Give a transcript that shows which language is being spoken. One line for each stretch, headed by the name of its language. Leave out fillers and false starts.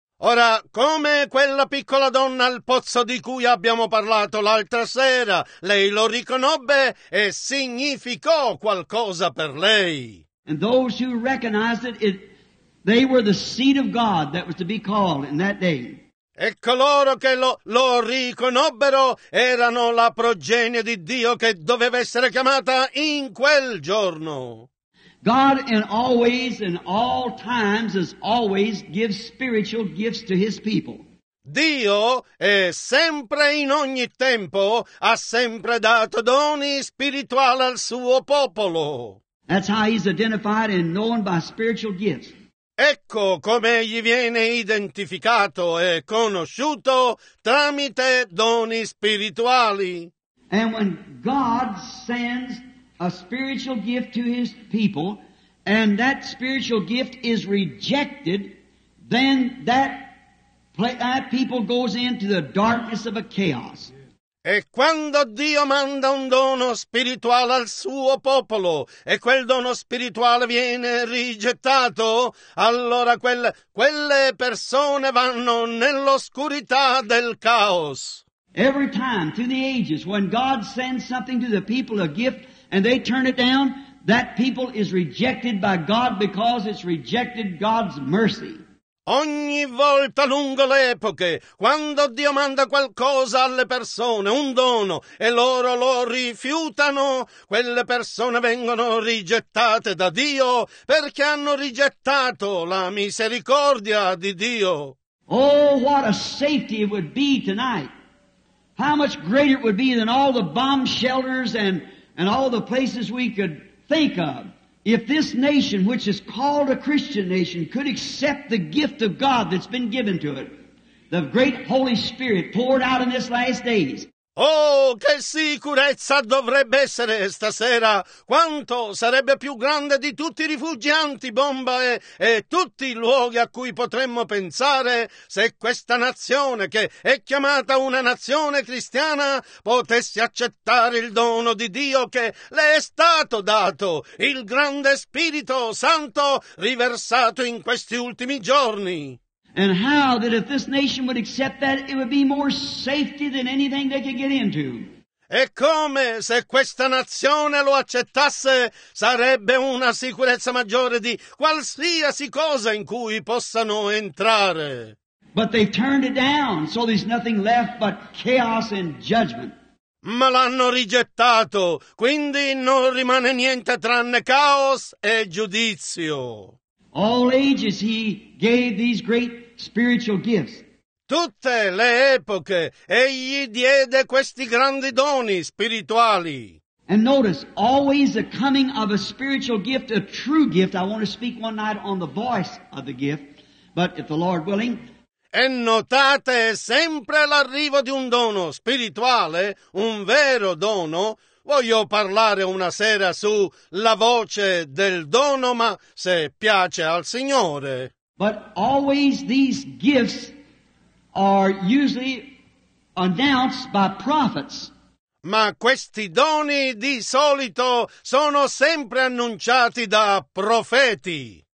Italian: Ora, come quella piccola donna al pozzo di cui abbiamo parlato l'altra sera, lei lo riconobbe e significò qualcosa per lei.
English: And those who recognized it, they were the seed of God that was to be called in that day.
Italian: E coloro che lo riconobbero erano la progenie di Dio che doveva essere chiamata in quel giorno.
English: God in always in all times as always gives spiritual gifts to his people.
Italian: Dio è sempre in ogni tempo ha sempre dato doni spirituali al suo popolo.
English: That's how he's identified and known by spiritual gifts.
Italian: Ecco come egli viene identificato e conosciuto tramite doni spirituali.
English: And when God sends a spiritual gift to his people, and that spiritual gift is rejected, then that people goes into the darkness of a chaos.
Italian: E quando Dio manda un dono spirituale al suo popolo e quel dono spirituale viene rigettato, allora quelle persone vanno nell'oscurità del caos.
English: Every time through the ages when God sends something to the people, a gift, and they turn it down, that people is rejected by God because it's rejected God's mercy.
Italian: Ogni volta lungo le epoche, quando Dio manda qualcosa alle persone, un dono, e loro lo rifiutano, quelle persone vengono rigettate da Dio perché hanno rigettato la misericordia di Dio.
English: Oh, what a safety it would be tonight. How much greater it would be than all the bomb shelters and all the places we could think of. If this nation, which is called a Christian nation, could accept the gift of God that's been given to it, the great Holy Spirit poured out in this last days.
Italian: Oh, che sicurezza dovrebbe essere stasera! Quanto sarebbe più grande di tutti i rifugi antibomba e tutti i luoghi a cui potremmo pensare se questa nazione, che è chiamata una nazione cristiana, potesse accettare il dono di Dio che le è stato dato, il grande Spirito Santo riversato in questi ultimi giorni.
English: And how that if this nation would accept that, it would be more safety than anything they could get into.
Italian: E come? Se questa nazione lo accettasse, sarebbe una sicurezza maggiore di qualsiasi cosa in cui possano entrare.
English: But they turned it down, so there's nothing left but chaos and judgment.
Italian: Ma l'hanno rigettato, quindi non rimane niente tranne caos e giudizio.
English: All ages he gave these great spiritual gifts.
Italian: Tutte le epoche egli diede questi grandi doni spirituali.
English: And notice, always the coming of a spiritual gift, a true gift. I want to speak one night on the voice of the gift, but if the Lord willing.
Italian: E notate sempre l'arrivo di un dono spirituale, un vero dono. Voglio parlare una sera su la voce del dono, ma se piace al Signore.
English: But always these gifts are usually announced by prophets.
Italian: Ma questi doni di solito sono sempre annunciati da profeti.